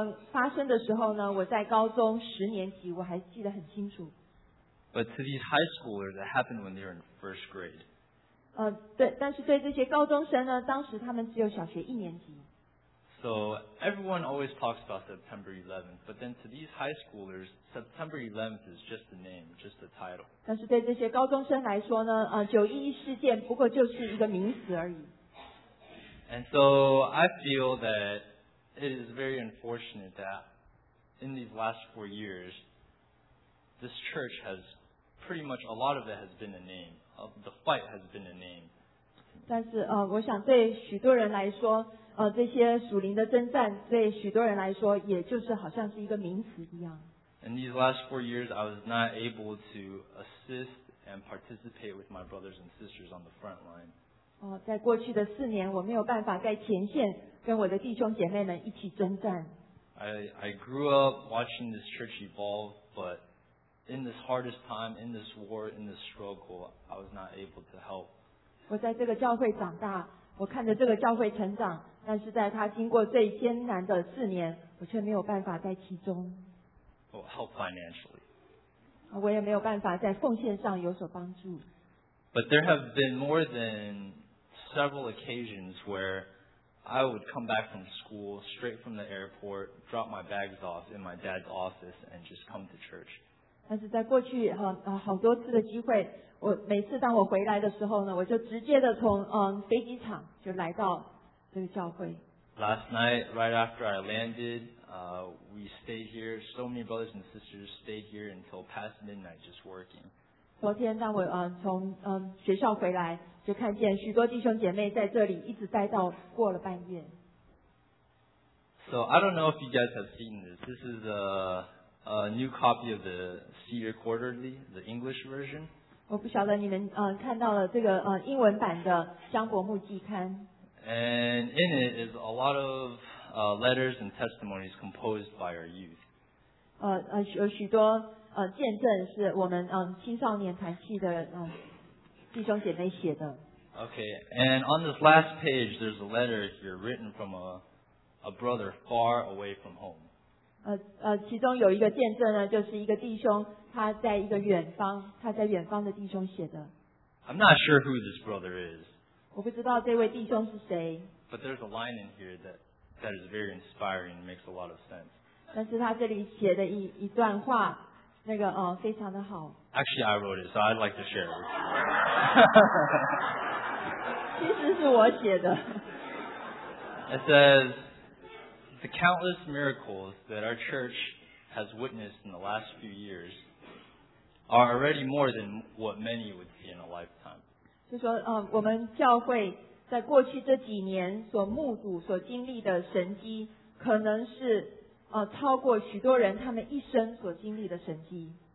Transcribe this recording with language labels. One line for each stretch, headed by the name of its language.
Chinese: 发生的时候呢，我在高中十年级，我还记得很清楚。
English: But to these high schoolers, it happened when they were in first grade.
Chinese: 对，但是对这些高中生呢，当时他们只有小学一年级。
English: So everyone always talks about September 11th, but then to these high schoolers, September 11th is just the name, just a title.
Chinese: 但是对这些高中生来说呢，911事件不过就是一个名词而已。
English: And so I feel that it is very unfortunate that in these last 4 years, this church has pretty much a lot of it has been a name. The fight has been a name.
Chinese: 但是我想对许多人来说。这些属灵的征战对许多人来说也就是好像是一个名词一样。
English: In these last 4 years, I was not able to assist and participate with my brothers and sisters on the front line.
Chinese: 在过去的四年我没有办法在前线跟我的弟兄姐妹们一起征战。
English: I grew up watching this church evolve, but in this hardest time, in this war, in this struggle, I was not able to help.
Chinese: 我在这个教会长大我看着这个教会成长但是在他经过最艰难的四年我却没有办法在其中。
English: Oh, help financially.
Chinese: 我也没有办法在奉献上有所帮助。
English: But there have been more than several occasions where I would come back from school, straight from the airport, drop my bags off in my dad's office and just come to church.
Chinese: 但是在过去好多次的机会我每次当我回来的时候呢我就直接的从飞机场就来到这个教会。
English: Last night, right after I landed, we stayed here, so many brothers and sisters stayed here until past midnight just working.
Chinese: 昨天当我从学校回来就看见许多弟兄姐妹在这里一直待到过了半夜。
English: So I don't know if you guys have seen this. This is a new copy of the Cedar Quarterly, the English version.
Chinese: 我不晓得你们看到了这个英文版的江伯牧季刊。
English: And in it is a lot of letters and testimonies composed by our youth.
Chinese: 有许多见证是我们青少年团契的弟兄姐妹写的。
English: Okay, and on this last page, there's a letter here written from a brother far away from home.
Chinese: 其中有一个见证呢，就是一个弟兄。他在一个远方，他在远方的弟兄写的。
English: I'm not sure who this brother is.
Chinese: 我不知道这位弟兄是谁。
English: But there's a line in here that is very inspiring, makes a lot of sense.
Chinese: 但是他这里写的一段话，那个非常的好。
English: Actually, I wrote it, so I'd like to share it.
Chinese: 其实是我写的。
English: It says, "The countless miracles that our church." Has witnessed in the last few years are already more than what many would see in a lifetime.
Chinese: 就说我们教会在过去这几年所目睹、所经历的神迹，可能是超过许多人他们一生所经历的神迹。